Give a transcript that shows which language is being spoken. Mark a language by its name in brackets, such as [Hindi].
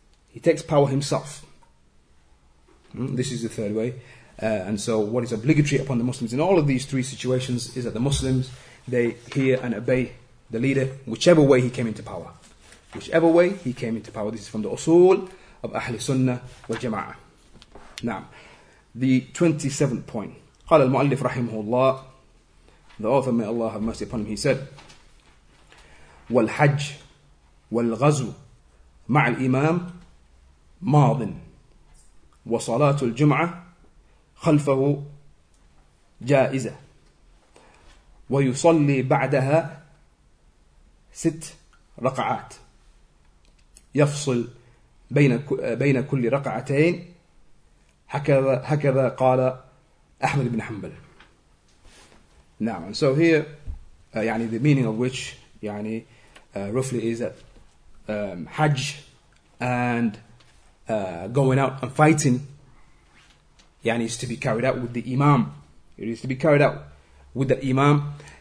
[English] He takes power himself. This is the third way. And so what is obligatory upon the Muslims in all of these three situations is that the Muslims, they hear and obey the leader, whichever way he came into power. Whichever way he came into power. This is from the usul of Ahl Sunnah wa Jama'ah. Now, the 27th point. [Arabic] قال المؤلف رحمه الله, [English] the author, may Allah have mercy upon him, he said, [Arabic] والحج والغزو مع الإمام ماضٍ وصلاة الجمعة خلفه جائزة ويصلي بعدها ست ركعات يفصل بين كل ركعتين هكذا قال أحمد بن حنبل. [English] Now, so here, the meaning of which, roughly is that Hajj and going out and fighting, is to be carried out with the Imam. It is to be carried out with the Imam.